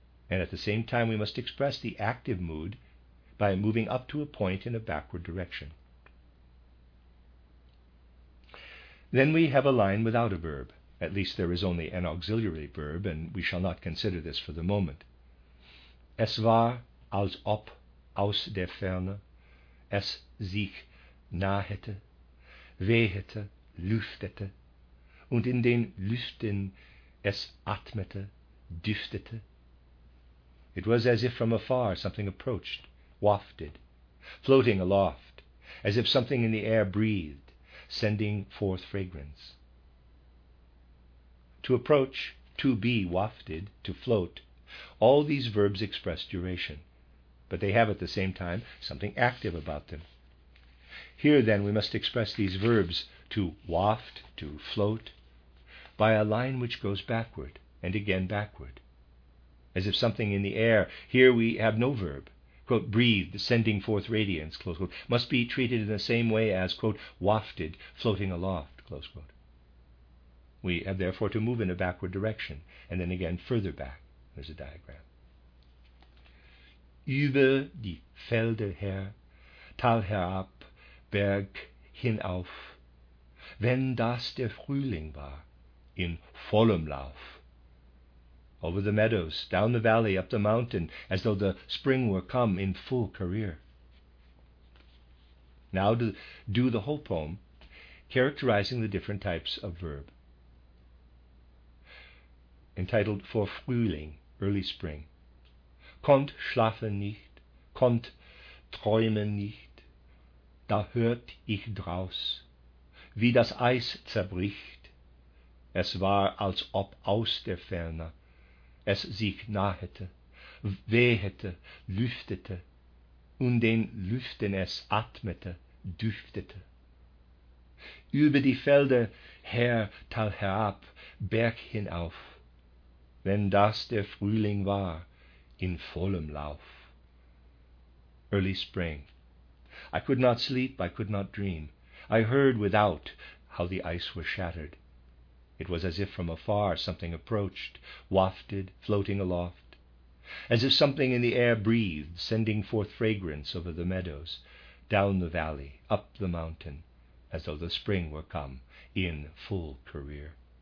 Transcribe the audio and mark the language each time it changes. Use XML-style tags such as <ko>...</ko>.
<en>And at the same time, we must express the active mood by moving up to a point in a backward direction. Then we have a line without a verb. At least there is only an auxiliary verb, and we shall not consider this for the moment.</en> <de>Es war, als ob aus der Ferne es sich nahete, wehete, lüftete, und in den Lüften es atmete, düftete.</de> <en>It was as if from afar something approached, wafted, floating aloft, as if something in the air breathed, sending forth fragrance. To approach, to be wafted, to float, all these verbs express duration, but they have at the same time something active about them. Here, then, we must express these verbs, to waft, to float, by a line which goes backward and again backward, as if something in the air, here we have no verb, quote, breathed, sending forth radiance, close quote, must be treated in the same way as, quote, wafted, floating aloft, close quote. We have therefore to move in a backward direction, and then again further back. There's a diagram.</en> <de>Über die Felder her, Tal herab, Berg hinauf, wenn das der Frühling war, in vollem Lauf.</de> <en>Over the meadows, down the valley, up the mountain, as though the spring were come in full career. Now do the whole poem, characterizing the different types of verb. Entitled For Frühling, Early Spring.</en> <de>Konnt schlafen nicht, konnt träumen nicht, da hört ich draus, wie das Eis zerbricht, es war als ob aus der Ferne, es sich nahete, wehete, lüftete, und den Lüften es atmete, düftete. Über die Felder her, Tal herab, Berg hinauf, wenn das der Frühling war, in vollem Lauf.</de> <en>Early spring. I could not sleep, I could not dream. I heard without how the ice was shattered. It was as if from afar something approached, wafted, floating aloft, as if something in the air breathed, sending forth fragrance over the meadows, down the valley, up the mountain, as though the spring were come in full career.</en>